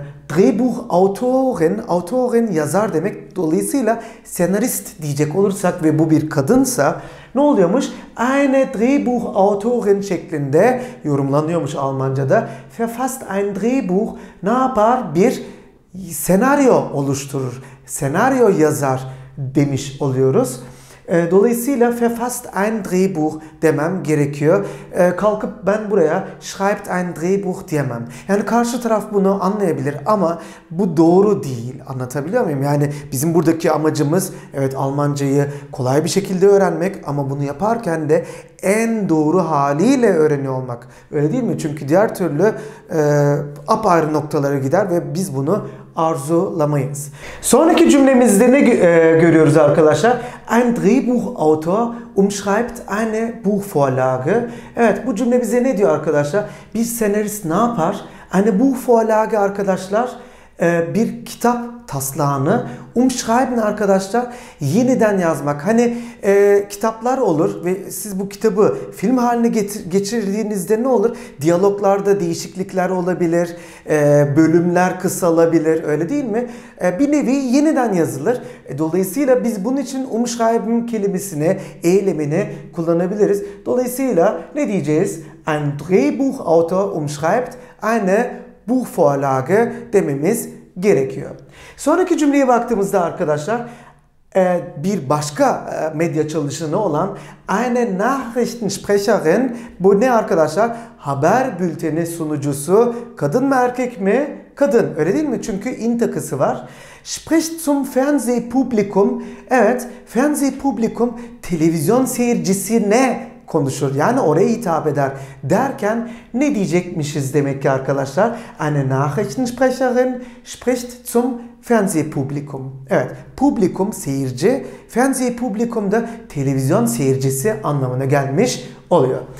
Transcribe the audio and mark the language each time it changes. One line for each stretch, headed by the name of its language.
Turkish: Drehbuchautorin, autorin yazar demek. Dolayısıyla senarist diyecek olursak ve bu bir kadınsa ne oluyormuş?
German: Eine Drehbuchautorin
Turkish: şeklinde yorumlanıyormuş Almanca'da.
German: Verfasst ein Drehbuch
Turkish: ne yapar? Bir senaryo oluşturur. Senaryo yazar demiş oluyoruz. Dolayısıyla
German: verfasst ein Drehbuch
Turkish: demem gerekiyor. Kalkıp ben buraya
German: schreibt ein Drehbuch
Turkish: diyemem. Yani karşı taraf bunu anlayabilir ama bu doğru değil. Anlatabiliyor muyum? Yani bizim buradaki amacımız evet Almancayı kolay bir şekilde öğrenmek ama bunu yaparken de en doğru haliyle öğreniyor olmak. Öyle değil mi? Çünkü diğer türlü apayrı noktalara gider ve biz bunu arzulamayız. Sonraki cümlemizde ne görüyoruz arkadaşlar?
German: Ein Drehbuchautor umschreibt eine Buchvorlage.
Turkish: Evet, bu cümle bize ne diyor arkadaşlar? Bir senarist ne yapar? Eine Buchvorlage arkadaşlar bir kitap taslağını umschreiben arkadaşlar yeniden yazmak. Hani kitaplar olur ve siz bu kitabı film haline geçirdiğinizde ne olur? Diyaloglarda değişiklikler olabilir, bölümler kısalabilir, öyle değil mi? Bir nevi yeniden yazılır. Dolayısıyla biz bunun için umschreiben kelimesini, eylemini kullanabiliriz. Dolayısıyla ne diyeceğiz?
German: Ein Drehbuchautor umschreibt eine Buchvorlage
Turkish: dememiz gerekiyor. Sonraki cümleye baktığımızda arkadaşlar bir başka medya çalışanı olan
German: eine Nachrichtensprecherin,
Turkish: bu ne arkadaşlar? Haber bülteni sunucusu, kadın mı erkek mi? Kadın, öyle değil mi? Çünkü in takısı var.
German: Spricht zum Fernsehpublikum.
Turkish: Evet, Fernsehpublikum televizyon seyircisine konuşur. Yani oraya hitap eder. Derken ne diyecekmişiz demek ki arkadaşlar?
German: Eine Nachrichtensprecherin spricht zum Fernsehpublikum.
Turkish: Evet. Publikum seyirci. Fernsehpublikum da televizyon seyircisi anlamına gelmiş oluyor.